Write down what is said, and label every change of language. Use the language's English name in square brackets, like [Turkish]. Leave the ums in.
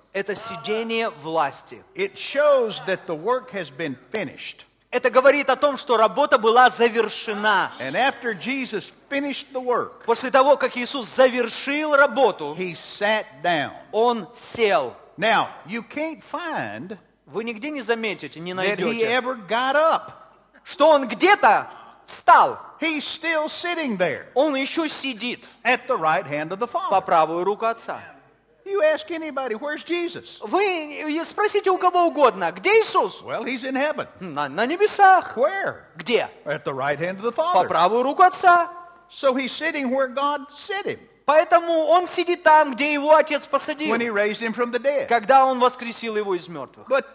[English] It shows that the work has been finished. [Russian] Это говорит о том, что работа была завершена. [English] And after Jesus finished the work, [Russian] После того, как Иисус завершил работу, [English] he sat down. [Russian] Он сел. [English] Now, you can't find [Russian] Вы нигде не заметите, не найдете, [English] he ever got up. [Russian] что он где-то встал. [English] He's still sitting there [Russian] он еще сидит [English] at the right hand of the Father. [Russian] по правую руку Отца. [English] You ask anybody, Where's Jesus? [Russian] Вы спросите у кого угодно, где Иисус? [English] Well, he's in heaven. [Russian] на небесах. [English] Where? [Russian] Где? [English] At the right hand of the Father. [Russian] По правую руку Отца. [English] So he's sitting where God set him. [Russian] Поэтому он сидит там, где его отец посадил, когда он воскресил его из мертвых.